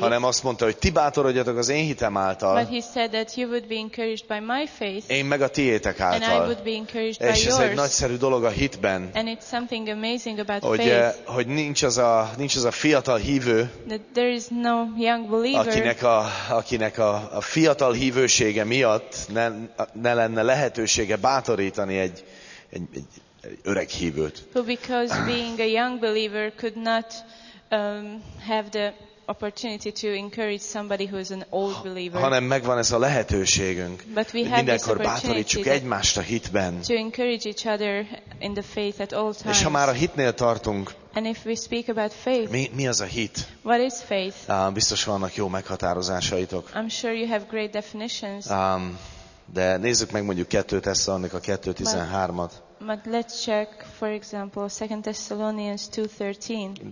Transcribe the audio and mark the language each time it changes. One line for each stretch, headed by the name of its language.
Hungarian: Hanem azt mondta, hogy ti bátorodjatok az én hitem által.
English: But he said that you would be encouraged by my faith.
Hungarian: Én meg a tiétek által.
English: And I would be encouraged by yours.
Hungarian: És ez egy nagyszerű dolog a hitben.
English: And it's something amazing about
Hungarian: hogy,
English: faith.
Hungarian: Hogy nincs az a fiatal hívő,
English: that there is no young believer,
Hungarian: akinek a fiatal hívősége miatt ne lenne lehetősége bátorítani egy öreg hívőt.
English: Who because being a young believer could not have the opportunity to encourage somebody who is an old believer.
Hungarian: Hanem megvan ez a lehetőségünk.
English: But we have
Hungarian: mindenkor bátorítsuk egymást a hitben.
English: To encourage each other in the faith at all times.
Hungarian: És ha már a hitnél tartunk,
English: and if we speak about faith,
Hungarian: mi az a hit?
English: What is faith?
Hungarian: Biztos vannak jó meghatározásaitok.
English: I'm sure you have great definitions.
Hungarian: De nézzük meg mondjuk 2 Tesszalonika 2:13-at.
English: But let's check, for example, 2 Thessalonians 2:13.